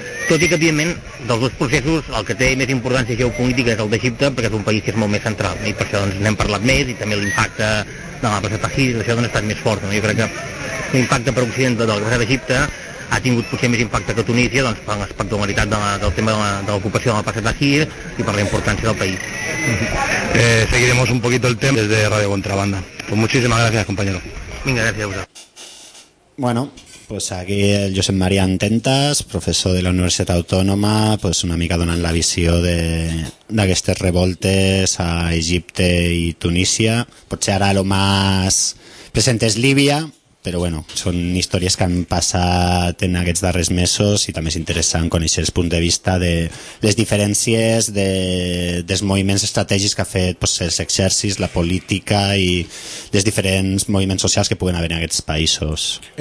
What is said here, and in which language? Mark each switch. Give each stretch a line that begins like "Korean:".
Catalan: Tot i que, evidentment, dels dos processos, el que té més importància geopolítica és el d'Egipte, perquè és un país que és molt més central, no? I per això, doncs, n'hem parlat més, i també l'impacte de la presa de Tahrir, això, doncs, ha estat més fort, no? Jo crec que l'impacte per Occident de la presa d'Egipte ha tingut potser més impacte que Tunísia, doncs per l'aspecte de humanitat del tema de l'ocupació del passat Tahrir i per la importància del país.
Spanish: Seguiremos un poquito el tema desde Radio Contrabanda. Pues muchísimas gracias, compañero.
Catalan: Vinga, gracias a vosaltres. Bueno, pues aquí el Josep Maria Ententas, professor de la Universitat Autònoma, pues una mica donant la visió d'aquestes revoltes a Egipte i Tunísia. Potser ara el més present és Líbia, però bueno, són històries que han passat en aquests darrers mesos i també és interessant conèixer el punt de vista de les diferències dels moviments estratègics que ha fet pues, els exèrcits, la política i els diferents moviments socials que puguen haver en aquests països.